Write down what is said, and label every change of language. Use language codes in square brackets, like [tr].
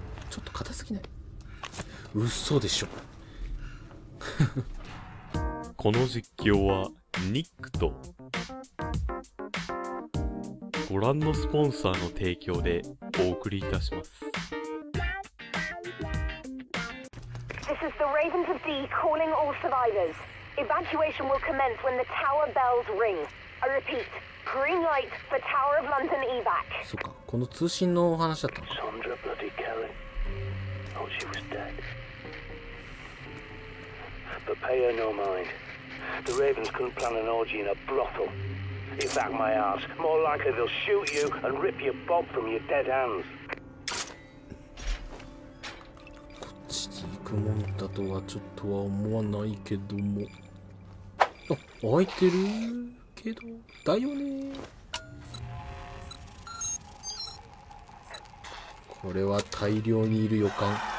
[ja] ちょっと硬すぎない？嘘でしょ。この実況はニックとご覧のスポンサーの提供でお送りいたします。 [en] This is the Ravens of D calling all survivors. Evacuation will commence when the tower bells ring. I repeat, green light for Tower of London evac. [ja] そっか、この通信のお話だったのか。 [en] Sandra bloody Kelly. Oh, she was dead. But pay her no mind. The Ravens couldn't plan an orgy in a brothel. Get back my ass. More likely they'll shoot you and rip your bob from your dead hands. [ja] こっちに行くもんだとはちょっとは思わないけども。あ、開いてるけど、だよね。これは大量にいる予感。